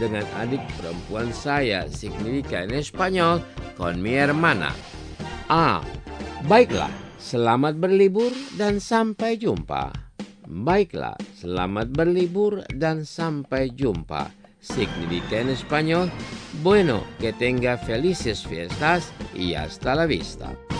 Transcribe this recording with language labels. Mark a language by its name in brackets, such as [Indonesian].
[Indonesian] Dengan adik perempuan saya. [Spanish] Significa en español, ¿con mi hermana? A. [Indonesian] Baiklah. Selamat berlibur dan sampai jumpa. Baiklah, selamat berlibur dan sampai jumpa. [Spanish] Significa en español, bueno, que tenga felices fiestas y hasta la vista.